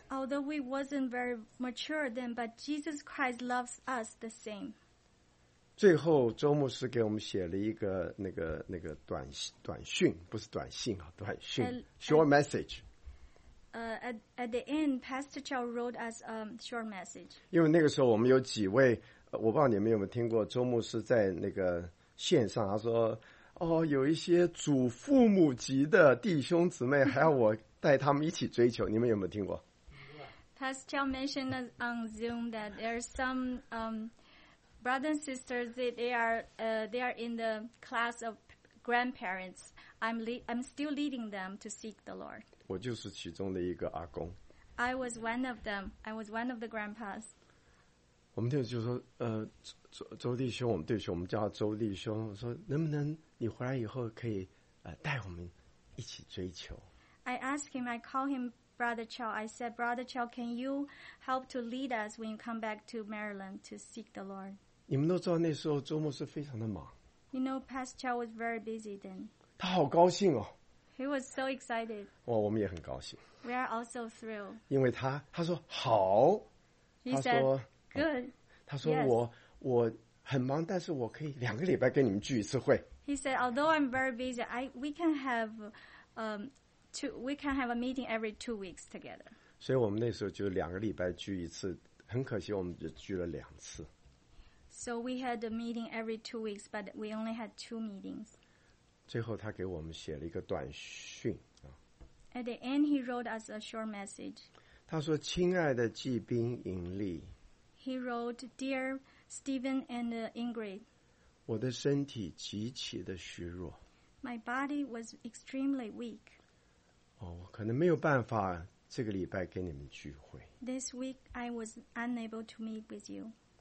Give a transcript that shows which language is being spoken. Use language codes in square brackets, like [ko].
[en] Although we wasn't very mature then, but Jesus Christ loves us the same. [zh] 最后周牧师给我们写了一个短讯，不是短信啊，短讯 [en] short message. At the end, Pastor Chow wrote us a short message. [zh] 因为那个时候我们有几位，我不知道你们有没有听过周牧师在那个线上，他说哦，有一些祖父母级的弟兄姊妹还要我带他们一起追求，你们有没有听过？ [en] Pastor Chow mentioned on Zoom that there are some brothers and sisters, they are in the class of grandparents. I'm still leading them to seek the Lord. [zh] 我就是其中的一个阿公。 [en] I was one of them. I was one of the grandpas. [zh] 我们就说，周弟兄，我们弟兄，我们叫周弟兄。我说，能不能你回来以后可以带我们一起追求 [en] ？I asked him. I call him Brother Chow. I said, Brother Chow, can you help to lead us when you come back to Maryland to seek the Lord? [zh] 你们都知道那时候周牧师非常的忙。 [en] You know, Pastor Chow was very busy then. [zh] 他好高兴哦。 [en] He was so excited. [zh] 哇，我们也很高兴。 [en] We are also thrilled. [zh] 因为他说好。 [en] He said, good. [zh] 他说我很忙，但是我可以两个礼拜跟你们聚一次会。 [en] He said, although I'm very busy, we can have a meeting every 2 weeks together. [zh] 所以我们那时候就两个礼拜聚一次，很可惜我们就聚了两次。 [en] So we had a meeting every 2 weeks, but we only had 2 meetings. [zh] 最后他给我们写了一个短讯。 [en] At the end, he wrote us a short message. [zh] 他说：“亲爱的季宾、盈利。” [en] He wrote, "Dear Stephen and Ingrid." [zh] 我的身体极其的虚弱。 [en] My body was extremely weak. [zh] 哦，我可能没有办法这个礼拜跟你们聚会。 [en] This week, I was unable to meet with you.